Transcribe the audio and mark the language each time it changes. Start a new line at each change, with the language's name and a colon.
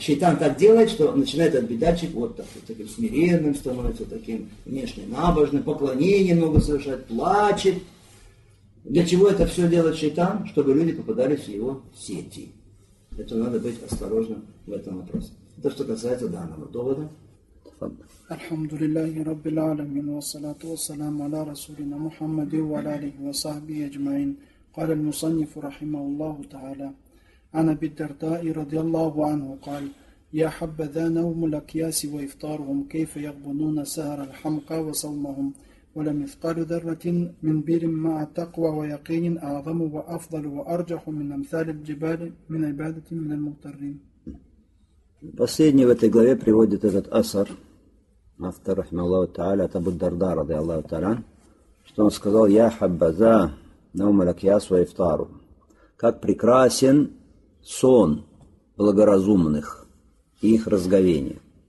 Russian: Шайтан так делает, что начинает этот бедатчик вот так, вот таким смиренным становится, таким внешне набожным, поклонение много совершает, плачет. Для чего это все делает шайтан? Чтобы люди попадались в его сети. Это надо быть осторожным в этом вопросе. Это что касается данного довода.
Arabic: الحمد لله رب العالمين والصلاة والسلام على رسولنا محمد وعلى آله وصحبه أجمعين قال المصنف رحمه الله تعالى عن أبي الدرداء رضي الله عنه قال يا حبذا نوم الأكياس وإفطارهم كيف يقبضون سهر الحمقى وصومهم ولم يثقل ذرة من بير مع تقوى ويقين أعظم وأفضل وأرجح من أمثال الجبال من عبادة من المغترين.
Russian: Последний в этой главе приводит этот асар, автор рахмаллаху та'аля, от Абу Дарда, ради Аллаху та'аля, что он сказал:
Arabic: «Я хаббаза наум лакьяс ва ифтару».
Russian: Как прекрасен сон благоразумных и их разговение.